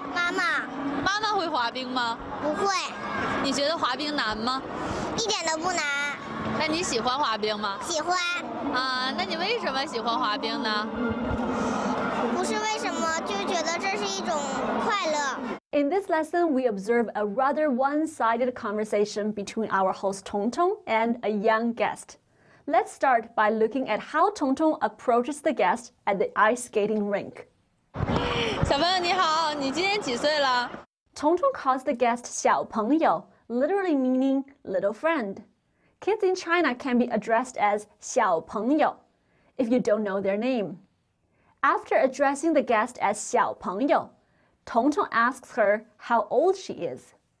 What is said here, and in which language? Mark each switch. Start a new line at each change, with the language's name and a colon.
Chinese: 妈妈。妈妈会滑冰吗？不会。你觉得滑冰难吗？一点都不难。那你喜欢滑冰吗？喜欢。啊，那你为什么喜欢滑冰呢？不是为什么，就觉得这是一种快乐。
English: In this lesson, we observe a rather one-sided conversation between our host Tong Tong and a young guest. Let's start by looking at how Tong Tong approaches the guest at the ice skating rink.
Chinese: 小朋友你好，你今年几岁了？
English: Tong Tong calls the guest 小朋友, literally meaning little friend. Kids in China can be addressed as 小朋友, if you don't know their name. After addressing the guest as 小朋友,Tong Tong asks her how old she is.